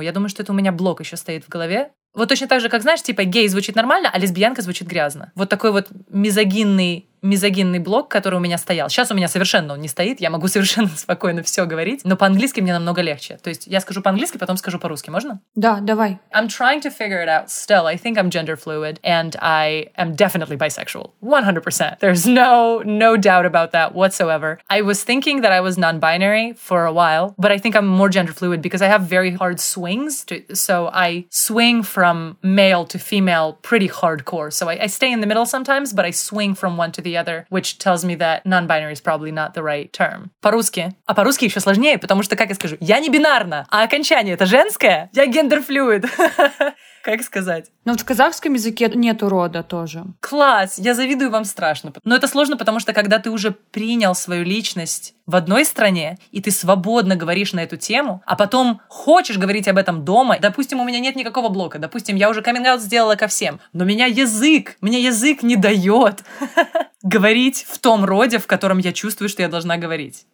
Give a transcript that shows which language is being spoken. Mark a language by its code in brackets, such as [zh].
[ru] Я думаю, что это у меня блок еще стоит в голове. Вот точно так же, как, знаешь, типа гей звучит нормально, а лесбиянка звучит грязно. Вот такой вот мизогинный мизогинный блок, который у меня стоял. Сейчас у меня совершенно он не стоит, я могу совершенно спокойно все говорить, но по-английски мне намного легче. То есть я скажу по-английски, потом скажу по-русски, можно? Да, давай. [en] I'm trying to figure it out still. I think I'm gender fluid and I am definitely bisexual. 100%. There's no doubt about that whatsoever. I was thinking that I was non-binary for a while, but I think I'm more gender fluid because I have very hard swings. So I swing from male to female pretty hardcore. So I stay in the middle sometimes, but I swing from one to the other, which tells me that non-binary is probably not the right term. [ru] По-русски. А по-русски еще сложнее, потому что, как я скажу, я не бинарна, а окончание это женское. Я [en] gender fluid. [ru] Как сказать? Но в казахском языке нету рода тоже. Класс! Я завидую вам страшно. Но это сложно, потому что когда ты уже принял свою личность в одной стране, и ты свободно говоришь на эту тему, а потом хочешь говорить об этом дома, допустим, у меня нет никакого блока, допустим, я уже каминг-аут сделала ко всем, но меня язык не дает говорить в том роде, в котором я чувствую, что я должна говорить.